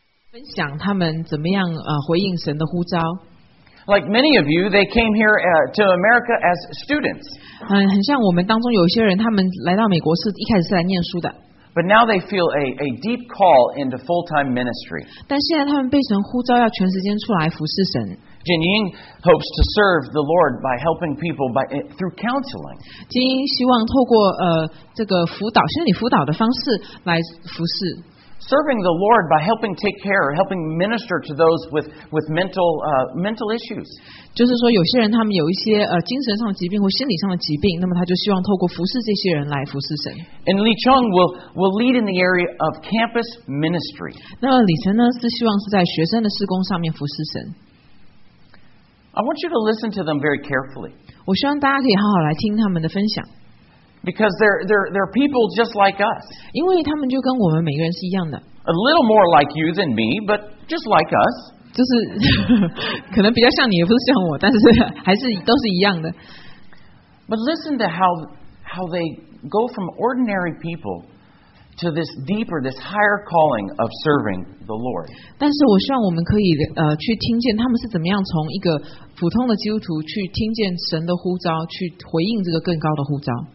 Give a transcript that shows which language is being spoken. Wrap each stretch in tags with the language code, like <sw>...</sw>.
<zh>分享他们怎么样回应神的呼召。</zh> <en>Like many of you, they came here to America as students.</en> <zh>很像我们当中有些人，他们来到美国是一开始是来念书的。</zh> <en>But now they feel a deep call into full-time ministry.</en> <zh>但现在他们被神呼召要全时间出来服侍神。</zh> <en>Jin Ying hopes to serve the Lord by helping people by through counseling.</en> <zh>金英希望透过这个辅导心理辅导的方式来服侍。</zh> <en>Serving the Lord by helping take care, helping minister to those with mental issues.</en> <zh>就是说，有些人他们有一些精神上的疾病或心理上的疾病，那么他就希望透过服侍这些人来服侍神。</zh> <en>And Lee Chung will lead in the area of campus ministry.</en> <zh>那李晨呢，是希望是在学生的事工上面服侍神。</zh> <en>I want you to listen to them very carefully.</en> <zh>我希望大家可以好好来听他们的分享。</zh> <en>Because they're people just like us.</en> <zh>因为他们就跟我们每个人是一样的。</zh> <en>A little more like you than me, but just like us.</en> <zh>就是可能比较像你，也不是像我，但是还是都是一样的。</zh> <en>But listen to how they go from ordinary people to this deeper, this higher calling of serving the Lord.</en> <zh>但是我希望我们可以去听见他们是怎么样从一个普通的基督徒去听见神的呼召，去回应这个更高的呼召。</zh>